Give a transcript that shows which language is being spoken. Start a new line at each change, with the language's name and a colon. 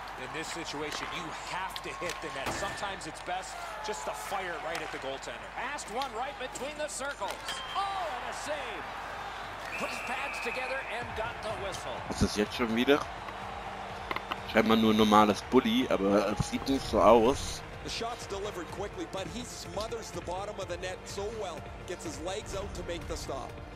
English: In this situation, you have to hit the net. Sometimes it's best just to fire right at the goaltender. Passed one right between the circles. Oh, and a save. Put his pads together and got the whistle.
German: Was ist jetzt schon wieder? Scheinbar nur normales Bulli, aber es sieht nicht so aus.
English: The shot's delivered quickly, but he smothers the bottom of the net so well. Gets his legs out to make the stop.